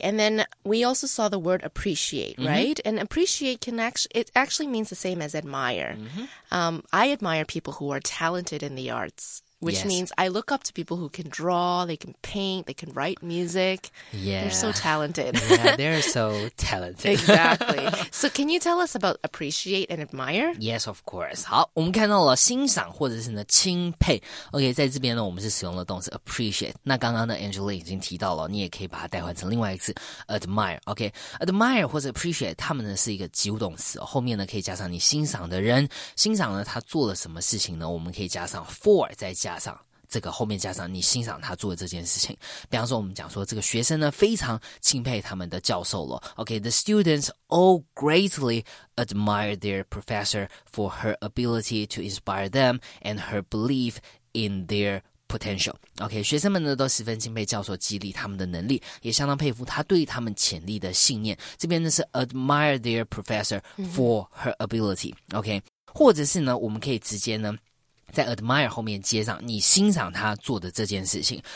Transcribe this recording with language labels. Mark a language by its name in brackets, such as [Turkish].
[English] And then we also saw the word appreciate, right? And appreciate it actually means the same as admire. I admire people who are talented in the arts, which yes. means I look up to people who can draw, they can paint, they can write music. Yeah. They're so talented. Yeah, they're so talented. Exactly. So can you tell us about appreciate and admire? Yes, of course. [Chinese] 好，我们看到了欣赏或者是呢钦佩。 OK, 在这边呢我们是使用了动词 appreciate。那刚刚呢 Angela 已经提到了，你也可以把它代换成另外一个词 admire。 OK, admire 或者 appreciate, 它们呢是一个及物动词，后面呢可以加上你欣赏的人。欣赏呢他做了什么事情呢，我们可以加上 for, 再加上这个后面加上你欣赏他做的这件事情。比方说我们讲说这个学生呢非常钦佩他们的教授了。 [English] OK, the students all greatly admire their professor for her ability to inspire them and her belief in their potential. [Chinese] OK, 学生们呢都十分钦佩教授激励他们的能力，也相当佩服他对他们潜力的信念。这边呢是 [English] admire their professor for her ability. [Chinese] OK, 或者是呢我们可以直接呢在 admire 后面接上你欣赏他做的这件事情。